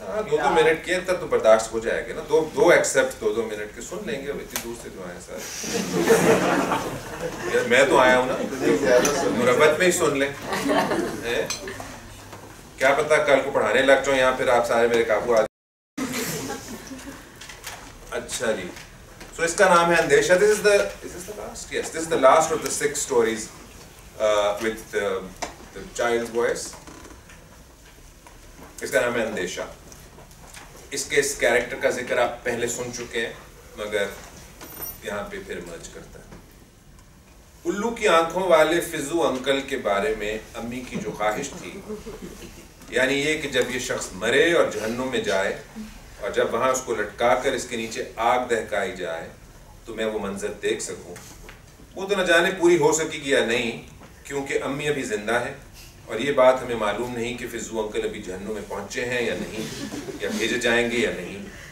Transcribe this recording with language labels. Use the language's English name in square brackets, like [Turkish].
[Urdu] دو دو minute کے اندر تو برداشت ہو جائے گا نا, دو دو ایکسیپٹ دو دو منٹ کے سن لیں گے, اب اتنی دور سے جو آئے سر, میں تو آیا ہوں نا, مربت میں ہی سن لیں, کیا پتا کل کو پڑھانے لگ جاؤں یہاں پھر آپ سارے میرے قابو آ جائیں. اچھا جی, سو اس کا نام ہے اندیشہ. [English] This is the last, yes this is the last of the six stories with the child voice. [Urdu] اس کا نام ہے اندیشہ. اس کے اس کیریکٹر کا ذکر آپ پہلے سن چکے ہیں مگر یہاں پہ پھر مرج کرتا ہے. الو کی آنکھوں والے فضو انکل کے بارے میں امی کی جو خواہش تھی, یعنی یہ کہ جب یہ شخص مرے اور جہنم میں جائے اور جب وہاں اس کو لٹکا کر اس کے نیچے آگ دہکائی جائے تو میں وہ منظر دیکھ سکوں, وہ تو نہ جانے پوری ہو سکی گی یا نہیں, کیونکہ امی ابھی زندہ ہے اور یہ بات ہمیں معلوم نہیں کہ فضو انکل ابھی جہنم میں پہنچے ہیں یا نہیں, یا بھیجے جائیں گے یا نہیں.